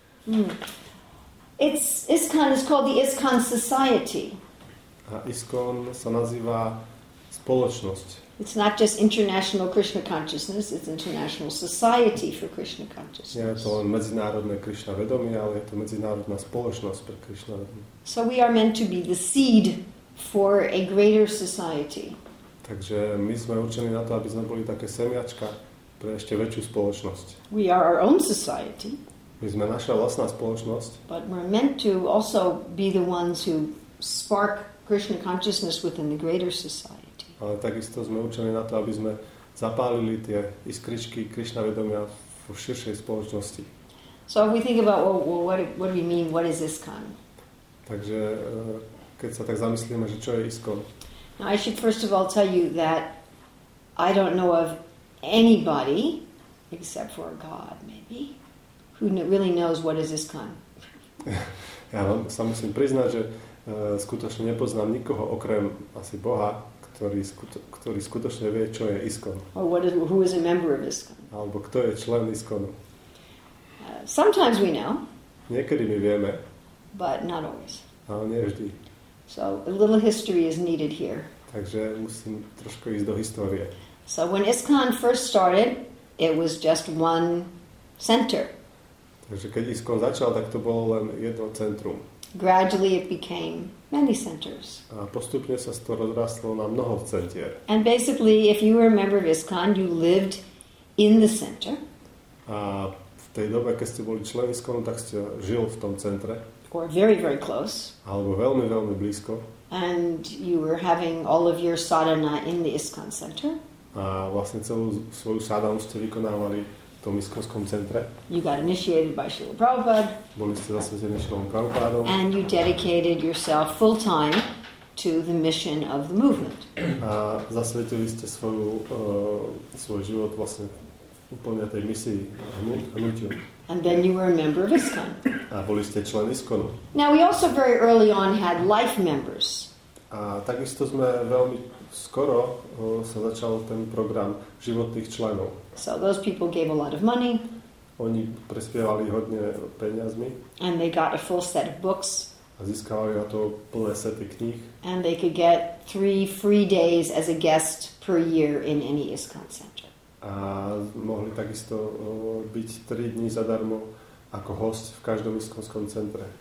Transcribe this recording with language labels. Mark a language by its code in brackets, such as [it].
[en] ISKCON is called the ISKCON Society. [sk] A ISKCON sa nazýva spoločnosť. [en] It's not just International Krishna Consciousness, it's International Society for Krishna Consciousness. [sk] Nie je to len medzinárodné Krishna vedomie, ale je to medzinárodná spoločnosť pre Krishna vedomie. [en] So we are meant to be the seed for a greater society. [sk] Takže my sme určení na to, aby sme boli také semiačka pre ešte väčšiu spoločnosť. [en] We are our own society. [sk] My sme naša vlastná spoločnosť. [en] But we're meant to also be the ones who spark Krishna consciousness within the greater society. [sk] Ale takisto sme učení na to, aby sme zapálili tie iskričky Krishna vedomia v širšej spoločnosti. [en] So if we think about what do we mean, what is ISKCON? [sk] Takže keď sa tak zamyslíme, že čo je ISKCON? [en] Now I should first of all tell you that I don't know of anybody except for God maybe who really knows what is ISKCON. [sk] Ja vám sa musím priznať, že skutočne nepoznám nikoho okrem asi Boha, ktorý skutočne vie, čo je ISKCON. [en] Or what is, who is a member of ISKCON. [sk] Alebo kto je člen ISKCONu. [en] Sometimes we know. [sk] Niekedy my vieme. [en] But not always. [sk] Ale nie vždy. [en] So a little history is needed here. [sk] Takže musím trošku ísť do histórie. [en] So when ISKCON first started, it was just one center. [sk] Takže keď ISKCON začal, tak to bolo len jedno centrum. [en] Gradually it became many centers. [sk] A postupne sa to rozrastlo na mnoho centier. [en] And basically, if you were a member of ISKCON, you lived in the center. [sk] A v tej dobe, keď ste boli člen ISKCON, tak ste žil v tom centre. [en] Or very, very close. [sk] Alebo veľmi, veľmi blízko. [en] And you were having all of your sadhana in the ISKCON center. [sk] A vlastne celú svoju sadhanu ste vykonávali v tom ISKCON centre. [en] You got initiated by Srila Prabhupada. [sk] Boli ste zasvetení Srilom Prabhupádom. [en] And you dedicated yourself full time to the mission of the movement. [sk] A zasvetili ste svoj život vlastne úplne tej misii hnutiu. [en] And then you were a member of ISKCON. [sk] A boli ste člen ISKCONu. [en] Now we also very early on had life members. [sk] A takisto sme veľmi skoro sa začal ten program životných členov. [en] So those people gave a lot of money. [sk] Oni prispievali hodne peniazmi. [en] And they got a full set of books. [sk] A získavali na to plné sety kníh. [en] And they could get 3 free days as a guest per year in any ISKCON center. [sk] A mohli takisto byť 3 dni zadarmo ako host v každom ISKCON centre.